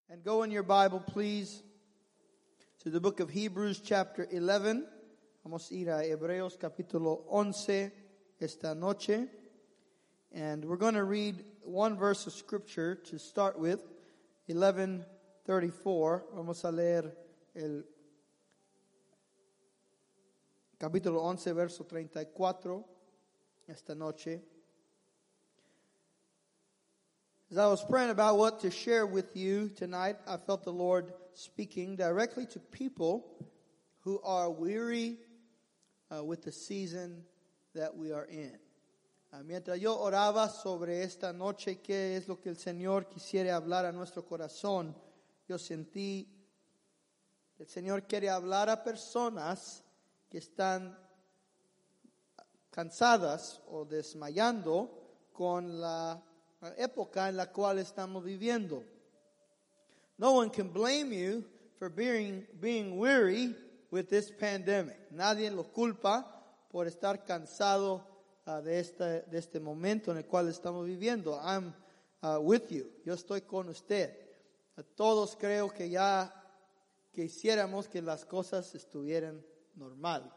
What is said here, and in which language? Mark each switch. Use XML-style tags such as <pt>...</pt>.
<en>And go in your Bible, please, to the book of Hebrews, chapter 11.</en> <es>Vamos a ir a Hebreos, capítulo 11, esta noche.</es> <en>And we're going to read one verse of scripture to start with, 11:34.</en> <es>Vamos a leer el capítulo 11, verso 34, esta noche.</es> <en>As I was praying about what to share with you tonight, I felt the Lord speaking directly to people who are weary with the season that we are in.</en> <es>Mientras yo oraba sobre esta noche, qué es lo que el Señor quisiera hablar a nuestro corazón, yo sentí el Señor quiere hablar a personas que están cansadas o desmayando con la época en la cual estamos viviendo.</es> <en>No one can blame you for being weary with this pandemic.</en> <es>Nadie lo culpa por estar cansado de este momento en el cual estamos viviendo.</es> <en>I'm with you.</en> <es>Yo estoy con usted. Todos creo que ya quisiéramos que las cosas estuvieran normal.</es>